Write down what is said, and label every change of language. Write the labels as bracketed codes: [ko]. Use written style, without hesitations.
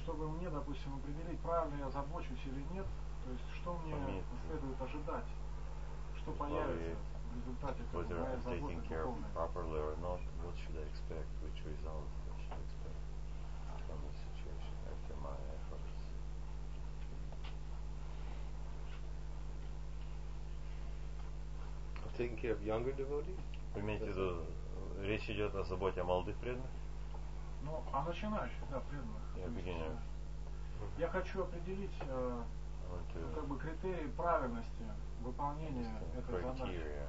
[ru] чтобы мне, допустим, определить, правильно я забочусь или нет, то есть что мне следует ожидать, что появится в результате, [en] whether [ru] моя забота [en] taking care properly or not, what should I expect, which result I should expect from this situation after my efforts. Taking care of younger devotees? [ru] имейте в виду, речь идет о заботе о молодых преданных. Ну, о начинающих, да, преданных. И объединяющих. Я хочу определить как бы критерии правильности выполнения этой задачи.